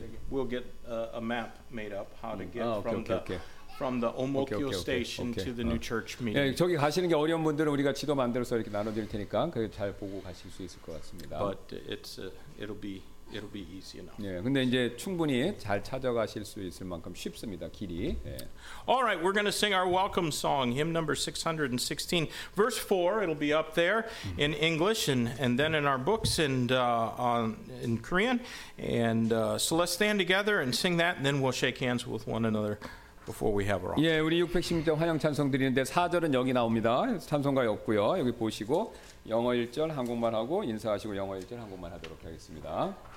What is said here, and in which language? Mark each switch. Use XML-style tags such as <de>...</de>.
<en>We'll get a map made up how to get from the Omokyo station to the new church meeting.</en> <ko>예, 저기 가시는 게 어려운 분들은 우리가 지도 만들어서 이렇게 나눠드릴 테니까 그게 잘 보고 가실 수 있을 것 같습니다.</ko> <en>But it'll be easy enough.</en> <ko>예, 근데 이제 충분히 잘 찾아가실 수 있을 만큼 쉽습니다. 길이. 예.</ko> <en>All right, we're going to sing our welcome song, hymn number 616, verse 4. It'll be up there in English and then in our books and in Korean. And so let's stand together and sing that, and then we'll shake hands with one another before we have our offering.</en> <ko>예, 우리 616장 환영 찬송 드리는데 4절은 여기 나옵니다. 찬송가였고요. 여기 보시고 영어 1절 한국말 하고 인사하시고 영어 1절 한국말 하도록 하겠습니다.</ko>